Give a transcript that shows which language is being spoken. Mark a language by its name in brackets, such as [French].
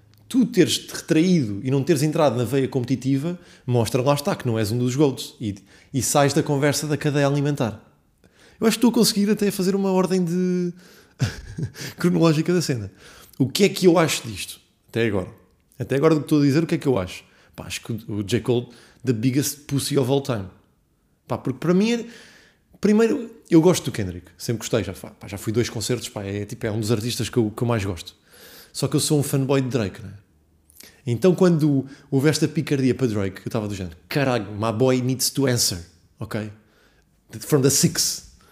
[Portuguese] Tu teres-te retraído e não teres entrado na veia competitiva, mostra lá está que não és um dos GOATs. E sais da conversa da cadeia alimentar. Eu acho que estou a conseguir até fazer uma ordem de cronológica da cena. O que é que eu acho disto, até agora? Até agora do que estou a dizer, o que é que eu acho? Pá, acho que o J. [English] Cole, the biggest pussy of all time. [Portuguese] Pá, porque para mim é... Primeiro, eu gosto do Kendrick, sempre gostei, já fui 2 concertos, pá, tipo, é um dos artistas que eu mais gosto. Só que eu sou um fanboy de Drake, né? Então, quando houve esta picardia para Drake, eu estava do género, caralho, [English] my boy needs to answer, ok? From the six.